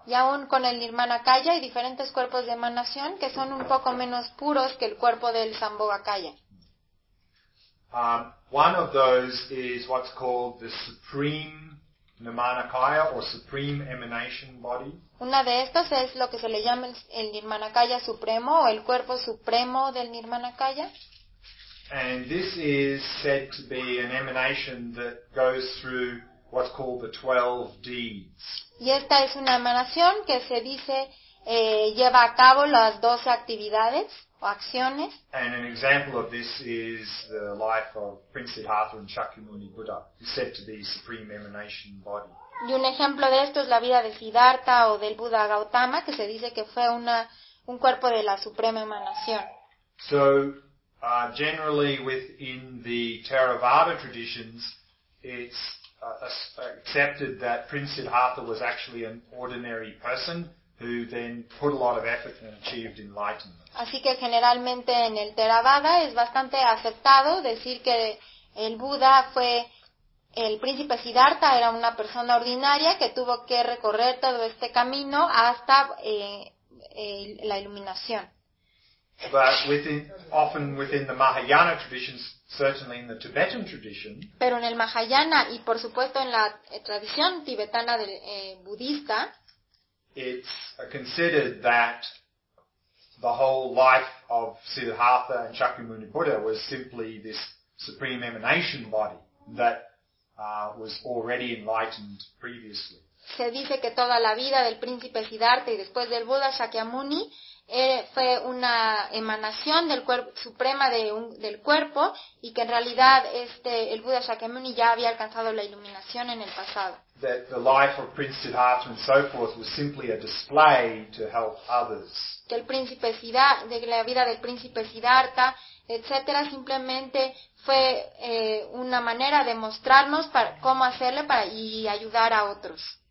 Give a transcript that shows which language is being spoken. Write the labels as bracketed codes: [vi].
[es] Y aún con el Nirmanakaya hay diferentes cuerpos de emanación que son un poco menos puros que el cuerpo del Sambhogakaya. [en] One of those is what's called the Supreme Nirmanakaya or Supreme Emanation Body. [es] Una de estas es lo que se le llama el Nirmanakaya Supremo o el cuerpo supremo del Nirmanakaya. [en] And this is said to be an emanation that goes through what's called the 12 deeds. [es] Y esta es una emanación que se dice lleva a cabo las 12 actividades o acciones. [en] And an example of this is the life of Prince Siddhartha and Shakyamuni Buddha, who's said to be supreme emanation body. [es] Y un ejemplo de esto es la vida de Siddhartha o del Buda Gautama, que se dice que fue un cuerpo de la suprema emanación. [en] So, generally within the Theravada traditions, it's accepted that Prince Siddhartha was actually an ordinary person who then put a lot of effort and achieved enlightenment. [es] Así que generalmente en el Theravada es bastante aceptado decir que el Buda fue... El príncipe Siddhartha era una persona ordinaria que tuvo que recorrer todo este camino hasta la iluminación. [en] But often within the Mahayana traditions, certainly in the Tibetan tradition. [es] Pero en el Mahayana y por supuesto en la tradición tibetana del budista. [en] It's considered that the whole life of Siddhartha and Shakyamuni Buddha was simply this supreme emanation body that was already enlightened previously. [es] Se dice que toda la vida del príncipe Siddhartha y después del Buda Shakyamuni fue una emanación del cuerpo suprema del cuerpo y que en realidad el Buda Shakyamuni ya había alcanzado la iluminación en el pasado. [en] That the life of Prince Siddhartha and so forth was simply a display to help others. [es] Que el príncipe Siddhartha, de la vida del príncipe Siddhartha, etcétera, simplemente fue una manera de mostrarnos cómo hacerle y ayudar a otros.